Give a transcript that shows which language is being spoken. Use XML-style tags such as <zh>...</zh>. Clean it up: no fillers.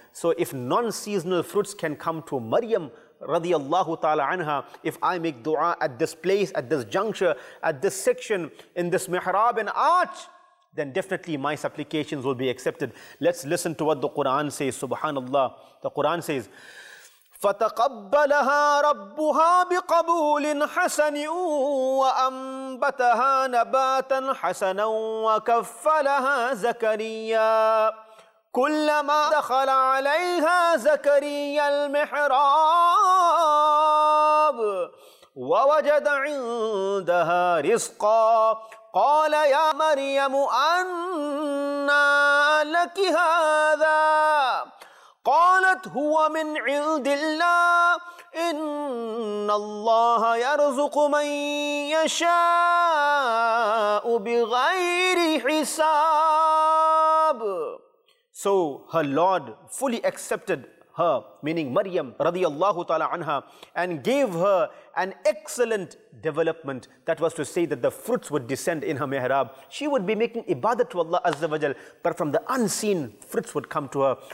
<en>So if non-seasonal fruits can come to Maryam radiyallahu ta'ala anha, if I make du'a at this place, at this juncture, at this section, in this mihrab and arch, then definitely my supplications will be accepted. Let's listen to what the Quran says, subhanallah. The Quran says,</en> <ar>فَتَقَبَّلَهَا رَبُّهَا بِقَبُولٍ حَسَنٍ وَأَنْبَتَهَا نَبَاتًا حَسَنًا وَكَفَّلَهَا زَكَرِيَّا كُلَّمَا دَخَلَ عَلَيْهَا زَكَرِيَّا الْمِحْرَابُ وَوَجَدَ عِنْدَهَا رِزْقًا قال يا مريم أنى لك هذا قالت هو من عند الله إن الله يرزق من يشاء بغير حساب.</ar> <en>So her Lord fully accepted her, meaning Maryam radiyallahu ta'ala anha, and gave her an excellent development. That was to say that the fruits would descend in her mihrab. She would be making ibadah to Allah Azza wa Jal, but from the unseen, fruits would come to her.</en>